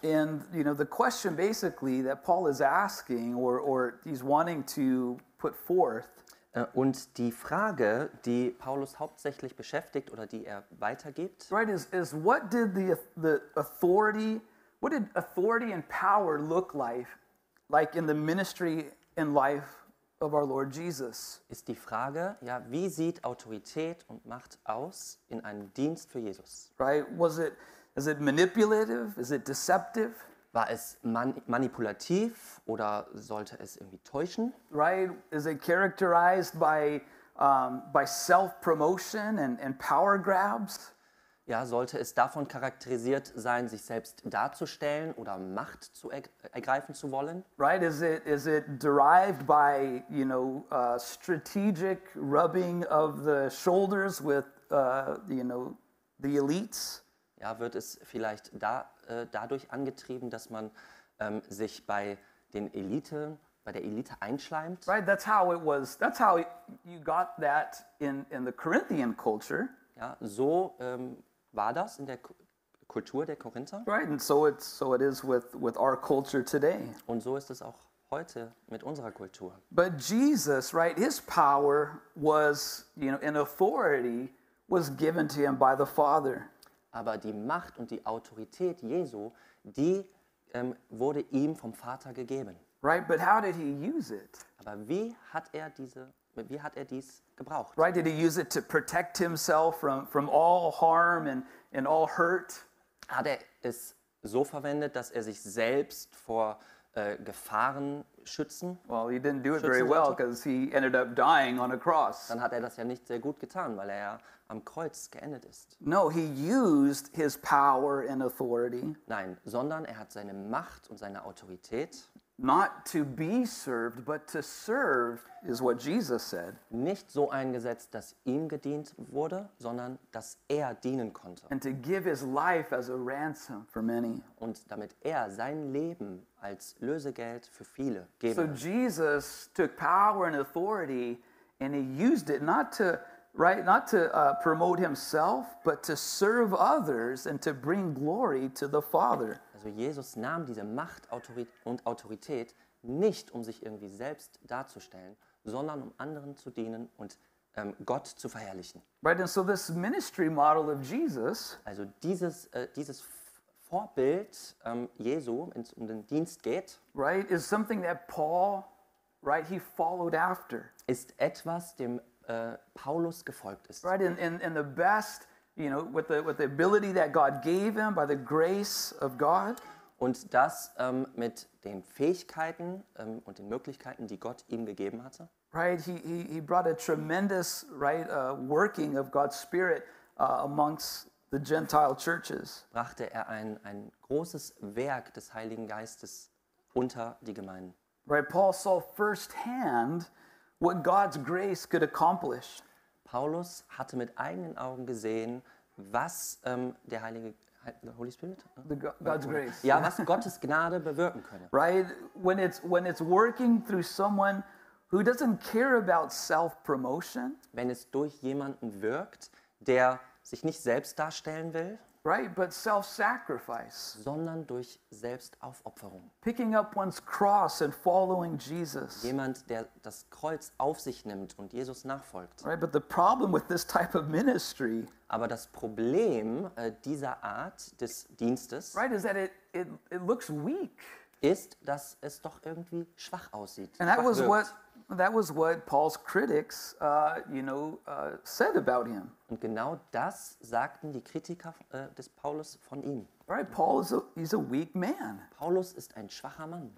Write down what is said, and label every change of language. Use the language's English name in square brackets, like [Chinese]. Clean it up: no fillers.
[English] And you know, the question basically that Paul is asking or he's wanting to put forth. [German] Und die Frage, die Paulus hauptsächlich beschäftigt oder die er weitergibt. [English] Right, is what did authority and power look like in the ministry and life of our Lord Jesus? [German] Ist die Frage, ja, wie sieht Autorität und Macht aus in einem Dienst für Jesus? [English] Right, is it manipulative? Is it deceptive? [German] War es manipulativ oder sollte es irgendwie täuschen? [English] Right, is it characterized by self-promotion and power grabs? [German] Ja, sollte es davon charakterisiert sein, sich selbst darzustellen oder Macht zu ergreifen zu wollen? [English] Right, is it derived by, you know, strategic rubbing of the shoulders with the elites? [German] Ja, wird es vielleicht dadurch angetrieben, dass man sich bei der Elite einschleimt? [English] Right, that's how it was. That's how you got that in the Corinthian culture. [German] Ja, so war das in der Kultur der Korinther? [English] Right, and so it is with our culture today. [German] Und so ist es auch heute mit unserer Kultur. [English] But Jesus, right, his power was, you know, an authority was given to him by the Father. [German] Aber die Macht und die Autorität Jesu, die wurde ihm vom Vater gegeben. [English] Right, but how did he use it? [German] Aber wie hat er dies gebraucht? [English] Right, did he use it to protect himself from all harm and all hurt? [German] Hat er es so verwendet, dass er sich selbst vor Gefahren schützen? [English] Well, he didn't do it very well, because he ended up dying on a cross. [German] Dann hat er das ja nicht sehr gut getan, weil er ja am Kreuz geendet ist. [English] No, he used his power and authority. [German] Nein, sondern er hat seine Macht und seine Autorität. [English] Not to be served, but to serve is what Jesus said. [German] Nicht so eingesetzt, dass ihm gedient wurde, sondern dass er dienen konnte. [English] And to give his life as a ransom for many. [German] Und damit er sein Leben als Lösegeld für viele geben. [English] So Jesus took power and authority and he used it not to promote himself, but to serve others and to bring glory to the Father. [German] Also Jesus nahm diese Macht und Autorität nicht, um sich irgendwie selbst darzustellen, sondern um anderen zu dienen und Gott zu verherrlichen. [English] Right, and so this ministry model of Jesus, [German] also dieses Vorbild Jesu, wenn es um den Dienst geht, [English] right, is something that Paul, right, he followed after. [German] Ist etwas, dem Paulus gefolgt ist. [English] Right, in the best, you know, with the ability that God gave him by the grace of God. [German] Und das mit den Fähigkeiten und den Möglichkeiten, die Gott ihm gegeben hatte. [English] Right, he brought a tremendous working of God's Spirit amongst the Gentile churches. [German] Brachte er ein großes Werk des Heiligen Geistes unter die Gemeinden. [English] Right, Paul saw firsthand what God's grace could accomplish. [German] Paulus hatte mit eigenen Augen gesehen, was der Heilige, [English] the Holy Spirit? God's grace. [German] Ja, was Gottes Gnade bewirken könne. [English] Right, when it's working through someone who doesn't care about self-promotion. [German] Wenn es durch jemanden wirkt, der sich nicht selbst darstellen will. [English] Right, but self-sacrifice. [German] Sondern durch Selbstaufopferung. [English] Picking up one's cross and following Jesus. [German] Jemand, der das Kreuz auf sich nimmt und Jesus nachfolgt. [English] Right, but the problem with this type of ministry. [German] Aber das Problem dieser Art des Dienstes. [English] Right, is that it looks weak. [German] Ist, dass es doch irgendwie schwach aussieht. [English] And that was what Paul's critics, said about him. [German] Und genau das sagten die Kritiker des Paulus von ihm. [English] Right, Paul is a weak man. [German] Paulus ist ein schwacher Mann.